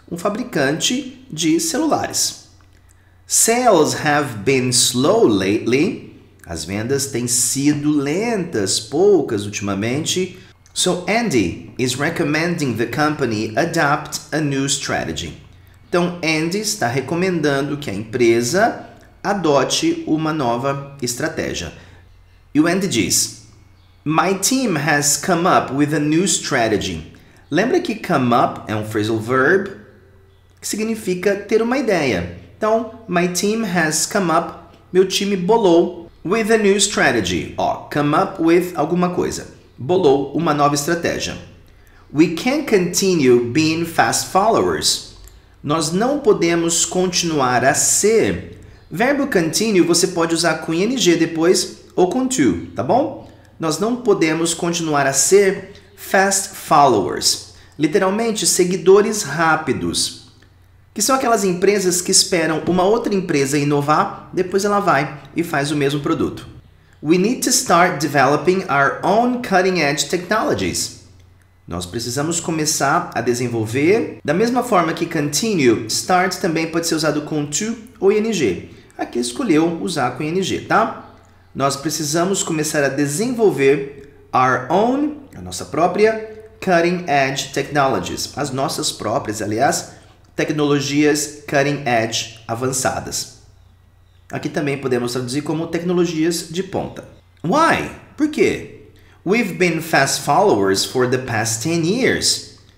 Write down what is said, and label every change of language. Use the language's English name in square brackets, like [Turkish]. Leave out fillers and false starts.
[Portuguese] Um fabricante de celulares. [English] Sales have been slow lately. [Portuguese] As vendas têm sido lentas, poucas ultimamente. [English] So Andy is recommending the company adopt a new strategy. [Portuguese] Então Andy está recomendando que a empresa adote uma nova estratégia. E o Andy diz: [English] My team has come up with a new strategy. [Portuguese] Lembra que come up é um phrasal verb? Que significa ter uma ideia. Então, [English] my team has come up, [Portuguese] meu time bolou [English] with a new strategy. [Portuguese] Ó, come up with alguma coisa. Bolou uma nova estratégia. [English] We can't continue being fast followers. [Portuguese] Nós não podemos continuar a ser. Verbo continue você pode usar com ing depois ou com to, tá bom? Nós não podemos continuar a ser fast followers. Literalmente, seguidores rápidos. Que são aquelas empresas que esperam uma outra empresa inovar, depois ela vai e faz o mesmo produto. [English] We need to start developing our own cutting-edge technologies. [Portuguese] Nós precisamos começar a desenvolver. Da mesma forma que continue, start também pode ser usado com to ou ing. Aqui escolheu usar com ing, tá? Nós precisamos começar a desenvolver [English] our own, [Portuguese] a nossa própria, [English] cutting-edge technologies. [Portuguese] As nossas próprias, aliás, tecnologias cutting edge avançadas. Aqui também podemos traduzir como tecnologias de ponta. [English] Why? [Portuguese] Por quê? [English] We've been fast followers for the past 10 years.